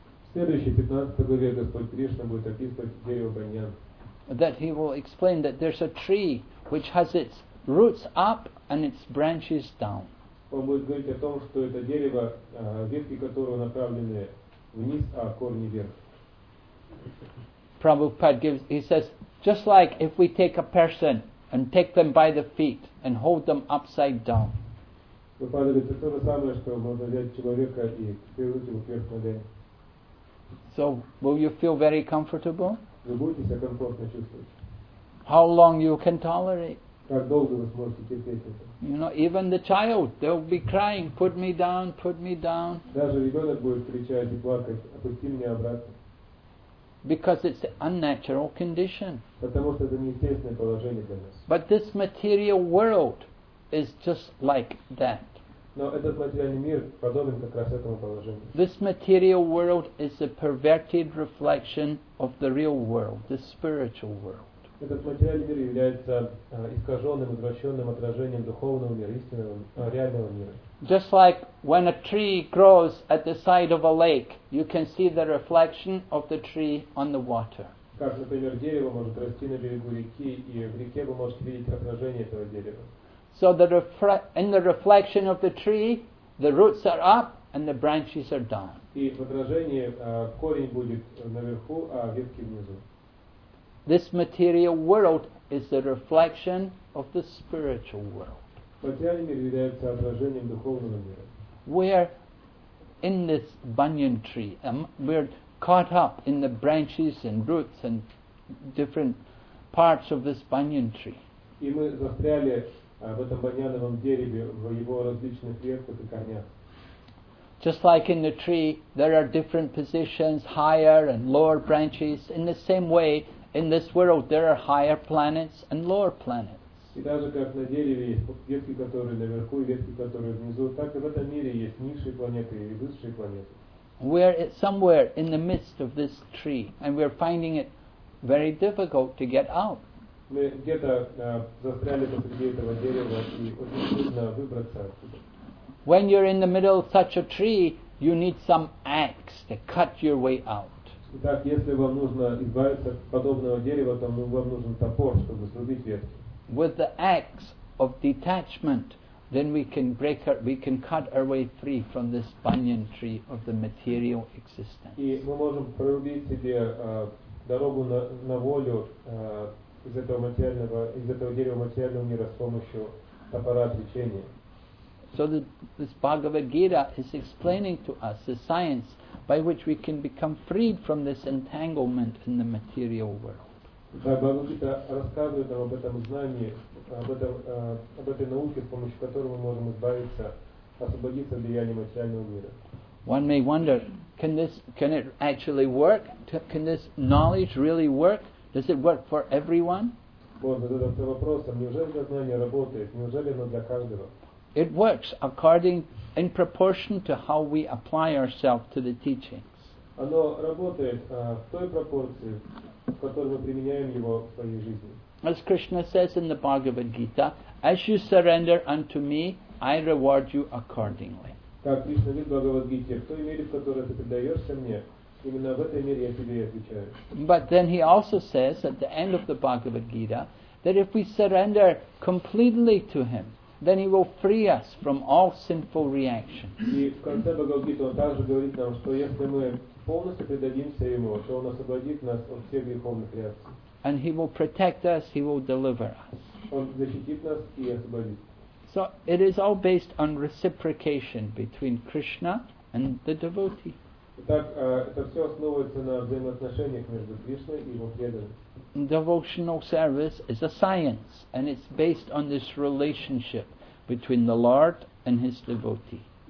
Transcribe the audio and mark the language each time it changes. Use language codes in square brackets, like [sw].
[ru] В следующей 15 главе Господь Кришна будет описывать дерево баньян. [en] That he will explain that there's a tree which has its roots up and its branches down. [ru] Он будет говорить о том, что это дерево, ветки которого направлены вниз, а корни вверх. [en] Prabhupada gives, he says, just like if we take a person and take them by the feet and hold them upside down. [ru] Prabhupada говорит, это то же самое, что можно взять человека и перевернуть его вверх ногами. [en] So, will you feel very comfortable? [ru] Вы будете себя комфортно чувствовать. [en] How long you can tolerate? [ru] Как долго вы сможете терпеть это? [en] You know, even the child, they'll be crying, put me down, put me down. [ru] Даже ребенок будет кричать и плакать, опусти меня обратно. [en] Because it's an unnatural condition. [ru] Потому что это неестественное положение для нас. [en] But this material world is just like that. [ru] Но этот материальный мир подобен как раз этому положению. [en] This material world is a perverted reflection of the real world, the spiritual world. [ru] Этот материальный мир является искаженным, извращенным отражением духовного мира, истинного, реального мира. [en] Just like when a tree grows at the side of a lake, you can see the reflection of the tree on the water. [ru] Как, например, дерево может расти на берегу реки, и в реке вы можете видеть отражение этого дерева. [en] So in the reflection of the tree, the roots are up and the branches are down. [ru] И в отражении корень будет наверху, а ветки внизу. [en] This material world is the reflection of the spiritual world. [ru] Материальный мир является отражением духовного мира. [en] We are in this banyan tree. We are caught up in the branches and roots and different parts of this banyan tree. [ru] И мы застряли в этом баньяновом дереве, в его различных ветках и корнях. [en] Just like in the tree, there are different positions, higher and lower branches. In the same way, in this world, there are higher planets and lower planets. [ru] И так же, как на дереве есть ветки, которые наверху, и ветки, которые внизу, так и в этом мире есть низшие планеты и высшие планеты. [en] We are somewhere in the midst of this tree, and we are finding it very difficult to get out. [ru] Мы где-то застряли посреди этого дерева, и очень трудно выбраться отсюда. [en] When you're in the middle of such a tree, you need some axe to cut your way out. [ru] Итак, если вам нужно избавиться от подобного дерева, то вам нужен топор, чтобы срубить ветки. [en] With the axe of detachment, then we can break our, we can cut our way free from this banyan tree of the material existence. [ru] И мы можем прорубить себе дорогу на волю из этого материального, из этого дерева материального мира с помощью топора отвлечения. [en] So this Bhagavad Gita is explaining to us the science by which we can become freed from this entanglement in the material world. [ru] Бхагавад-гита рассказывает нам об этом знании, об этой науке, с помощью которой мы можем избавиться, освободиться от влияния материального мира. [en] One may wonder, can it actually work? Can this knowledge really work? Does it work for everyone? [ru] Он задает этот вопрос, а неужели это знание работает? Неужели оно для каждого? [en] It works according in proportion to how we apply ourselves to the teachings. [ru] Оно работает в той пропорции, в которой мы применяем его в своей жизни. [en] As Krishna says in the Bhagavad Gita, as you surrender unto me, I reward you accordingly. [ru] Как Кришна говорит в Бхагавад Гите, в той мере, в которой ты предаешься мне, именно в этой мере я тебе и отвечаю. [en] But then he also says at the end of the Bhagavad Gita that if we surrender completely to him, then he will free us from all sinful reactions. [ru] И в конце Бхагавад Гита он также говорит нам, что если мы полностью предадимся ему, то он освободит нас от всех греховных реакций. [en] And he will protect us, he will deliver us. [ru] Он защитит нас и освободит. [en] So it is all based on reciprocation between Krishna and the devotee. [ru] Итак, это все основывается на взаимоотношениях между Кришной и его преданным. [en] Devotional service is a science, and it's based on this relationship between the Lord and his devotee.